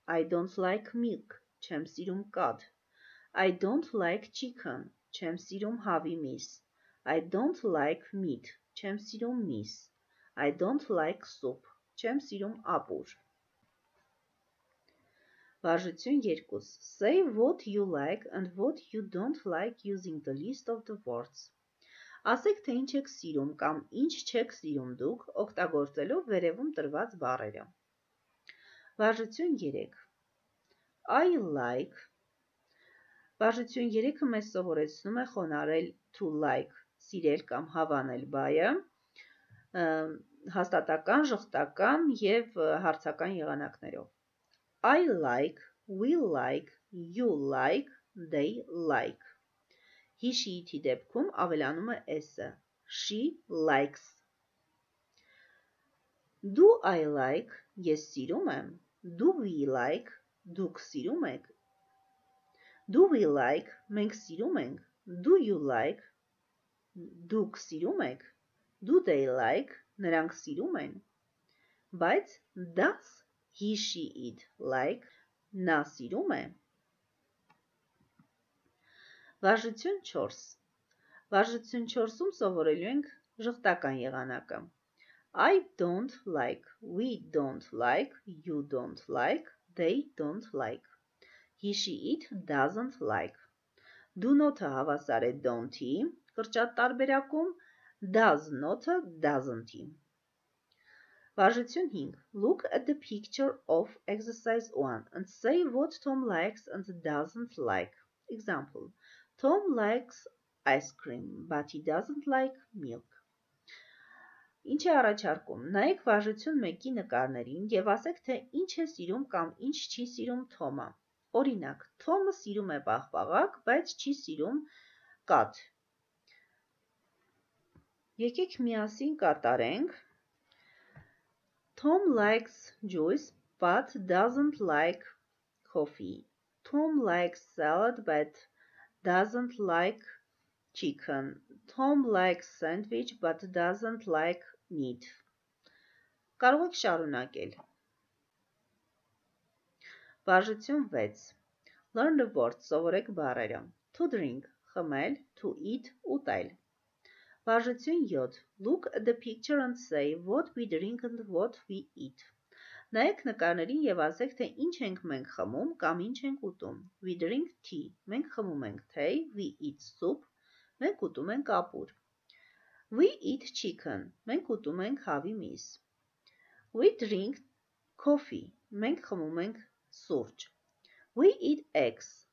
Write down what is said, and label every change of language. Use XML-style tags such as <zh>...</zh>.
<en>I don't like milk,</en> <hy>չեմ սիրում կաթ.</hy> <en>I don't like chicken,</en> <hy>չեմ սիրում հավի միս.</hy> <en>I don't like meat,</en> <hy>չեմ սիրում միս.</hy> <en>I don't like soup,</en> <hy>չեմ սիրում ապուր. Վարժություն 2.</hy> <en>Say what you like and what you don't like using the list of the words.</en> <hy>Ասեք, թե ինչ եք սիրում կամ ինչ չեք սիրում դուք, օգտագործելով վերևում տրված բառերը. Վարժություն 3.</hy> <en>I like.</en> <hy>Վարժություն 3-ը մեզ սովորեցնում է խոնարել to like, սիրել կամ հավանել բայը, հաստատական, ժխտական և հարցական եղանակներով.</hy> <en>I like, we like, you like, they like.</en> <hy>Հիշիիթի դեպքում ավելանում է էսը.</hy> <en>She likes. Do I like,</en> <hy>ես սիրում եմ.</hy> <en>Do we like,</en> <hy>դուք սիրում եք.</hy> <en>Do we like,</en> <hy>մենք սիրում ենք.</hy> <en>Do you like,</en> <hy>դուք սիրում եք.</hy> <en>Do they like,</en> <hy>նրանք սիրում են.</hy> <en>Բայց does he, she, it like,</en> <hy>նա սիրում է. Վարժություն 4. Վարժություն 4-ում սովորելու ենք ժխտական եղանակը.</hy> <en>I don't like, we don't like, you don't like, they don't like. He, she, it doesn't like.</en> <hy>Do not-ը հավասար է don't-ի, կրճատ տարբերակում, does not-ը doesn't-ի. Վարժություն 5.</hy> <en>Look at the picture of exercise 1 and say what Tom likes and doesn't like. Example. Tom likes ice cream, but he doesn't like milk.</en> <hy>Ինչ է առաջարկում, նայեք վարժություն 1-ի նկարներին և ասեք, թե ինչ է սիրում կամ ինչ չի սիրում Թոմը. Օրինակ, Թոմը սիրում է պաղպաղակ, բայց չի սիրում կաթ. Եկեք միասին կատարենք.</hy> <en>Tom likes juice, but doesn't like coffee. Tom likes salad, but doesn't like chicken. Tom likes sandwich, but doesn't like meat.</en> <hy>Կարող եք շարունակել. Վարժություն 6.</hy> <en>Learn the words,</en> <hy>սովորեք բառերը.</hy> <en>To drink, խմել, to eat, ուտել.</en> <hy>Վարժություն 7.</hy> <en>Look at the picture and say what we drink and what we eat.</en> <hy>Նայեք նկարներին և ասեք, թե ինչ ենք մենք խմում կամ ինչ ենք ուտում.</hy> <en>We drink tea.</en> <hy>Մենք խմում ենք թեյ.</hy> <en>We eat soup.</en> <hy>Մենք ուտում ենք ապուր.</hy> <en>We eat chicken.</en> <hy>Մենք ուտում ենք հավի միս.</hy> <en>We drink coffee.</en> <hy>Մենք խմում ենք սուրճ.</hy> <en>We eat eggs.</en>